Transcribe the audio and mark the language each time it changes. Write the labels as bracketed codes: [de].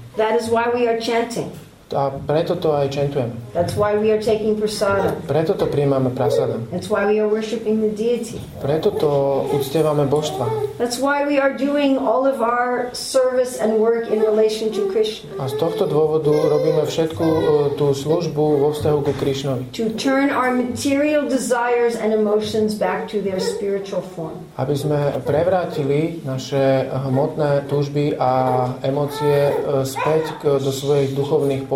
[en] That is why we are chanting. [sk] A preto to aj chantujeme. [en] That's why we are taking prasadam. [sk] Preto to prijímame prasadam. [en] That's why we are worshiping the deity. [sk] Preto to uctievame božstva. [en] That's why we are doing all of our service and work in relation to Krishna. [sk] A z tohto dôvodu robíme všetku tú službu vo vzťahu ku Krišnovi. [en] To turn our material desires and emotions back to their spiritual form. [sk] Aby sme prevrátili naše hmotné túžby a emócie späť do svojich duchovných podľa.